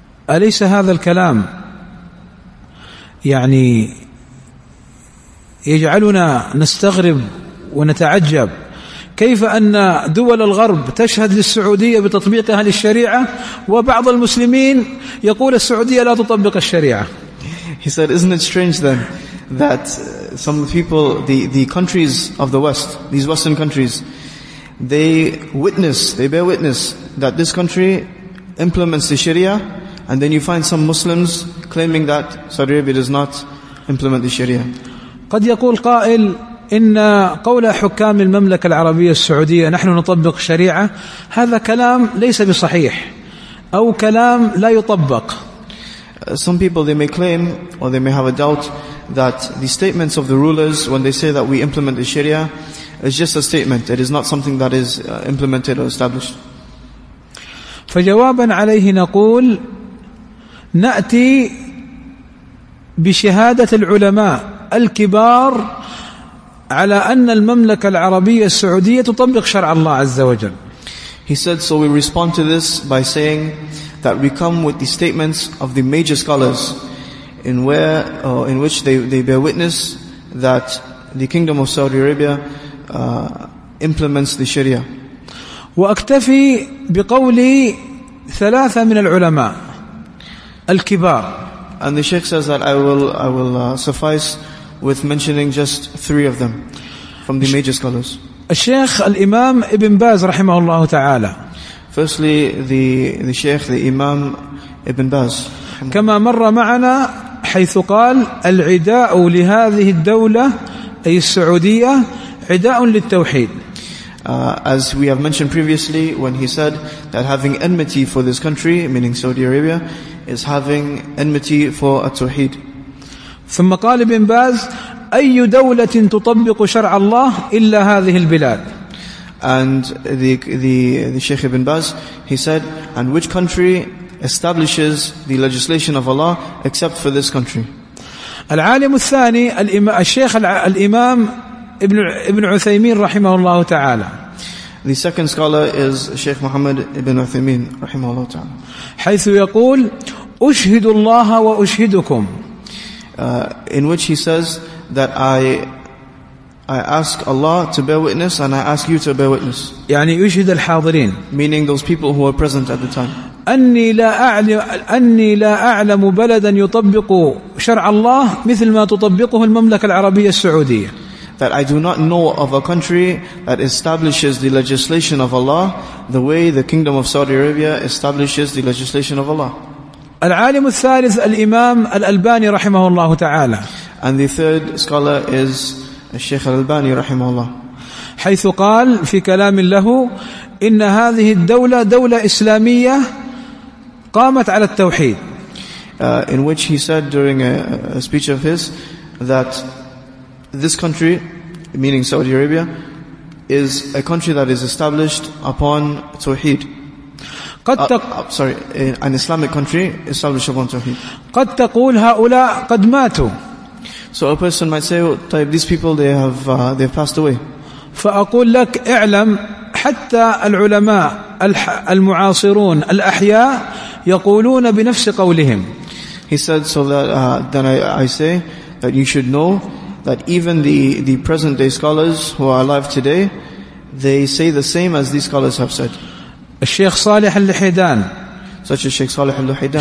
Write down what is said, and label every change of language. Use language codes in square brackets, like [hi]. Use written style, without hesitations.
[ar] أليس هذا الكلام يعني يجعلنا نستغرب ونتعجب كيف أن دول الغرب تشهد للسعودية بتطبيقها للشريعة وبعض المسلمين يقول السعودية لا تطبق الشريعة. [en] He said, isn't it strange then that some people, the countries of the West, these Western countries, they bear witness that this country implements the Sharia, and then you find some Muslims claiming that Saudi Arabia does not implement the Sharia. [ar] قد يقول قائل إن قول حكام المملكة العربية السعودية نحن نطبق الشريعة هذا كلام ليس بصحيح أو كلام لا يطبق. [en] Some people they may claim or they may have a doubt that the statements of the rulers when they say that we implement the Sharia is just a statement. It is not something that is implemented or established. [ar] فجوابا عليه نقول نأتي بشهادة العلماء الكبار على أن المملكة العربية السعودية تطبق شرع الله عز وجل. [en] He said, so we respond to this by saying that we come with the statements of the major scholars in which they bear witness that the Kingdom of Saudi Arabia implements the Sharia. [ar] وأكتفي بقولي ثلاثة من العلماء الكبار. [en] And the Sheikh says that I will suffice with mentioning just three of them from the major scholars. [ar] الشيخ الإمام ابن باز رحمه الله تعالى. [en] Firstly, the Sheikh, the Imam Ibn Baz. [ar] كما مر معنا حيث قال العداء لهذه الدولة أي السعودية عداء للتوحيد. [en] As we have mentioned previously, when he said that having enmity for this country, meaning Saudi Arabia, is having enmity for التوحيد. [ar] ثم قال ابن باز أي دولة تطبق شرع الله إلا هذه البلاد. [en] And the Sheikh Ibn Baz, he said, and which country establishes the legislation of Allah except for this country? [ar] العالم الثاني الشيخ الإمام ابن عثيمين رحمه الله تعالى. [en] The second scholar is Sheikh Muhammad ibn Uthaymeen [ar] رحمه الله تعالى. حيث يقول أشهد الله وأشهدكم. [en] In which he says that I ask Allah to bear witness and I ask you to bear witness. [ar] يعني يشهد الحاضرين. [en] Meaning those people who were present at the time. [ar] أني لا أعلم بلدا يطبق شرع الله مثل ما تطبقه المملكة العربية السعودية. [en] That I do not know of a country that establishes the legislation of Allah the way the Kingdom of Saudi Arabia establishes the legislation of Allah. [ar] العالم الثالث الإمام الألباني رحمه الله تعالى. [en] And the third scholar is الشيخ الألباني [ar] رحمه الله. حيث قال في كلام له إن هذه الدولة دولة إسلامية قامت على التوحيد. [en] In which he said during a speech of his that this country, meaning Saudi Arabia, is a country that is established upon توحيد. An Islamic country established upon توحيد. [ar] قد تقول هؤلاء قد ماتوا. [en] So a person might say, oh, type, these people they have passed away. [ar] فأقول لك اعلم حتى العلماء المعاصرون الأحياء يقولون بنفس قولهم. [en] He said so that then I say that you should know that even the present day scholars who are alive today, they say the same as these scholars have said. [ar] الشيخ صالح اللحيدان. [en] Such as Sheikh Salih al-Luhaydan.